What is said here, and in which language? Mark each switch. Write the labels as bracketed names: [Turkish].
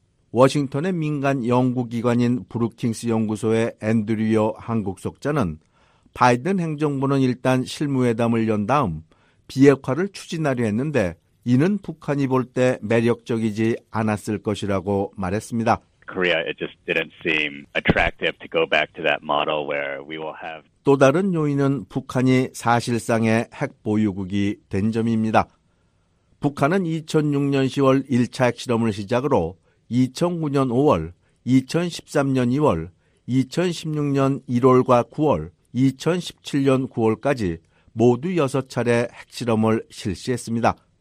[Korean] 워싱턴의 민간 연구기관인 브루킹스 연구소의 앤드류어 한국 속장은 바이든 행정부는 일단 실무회담을 연 다음 비핵화를 추진하려 했는데 이는 북한이 볼 때 매력적이지 않았을 것이라고 말했습니다. [English] Korea, it just didn't seem attractive to go back to that model where we will have. [Korean] 또 다른 요인은 북한이 사실상의 핵 보유국이 된 점입니다. 북한은 2006년 10월 1차 핵실험을 시작으로 2009년 5월, 2013년 2월, 2016년 1월과 9월, 2017년 9월까지 모두 6차례 핵실험을 실시했습니다.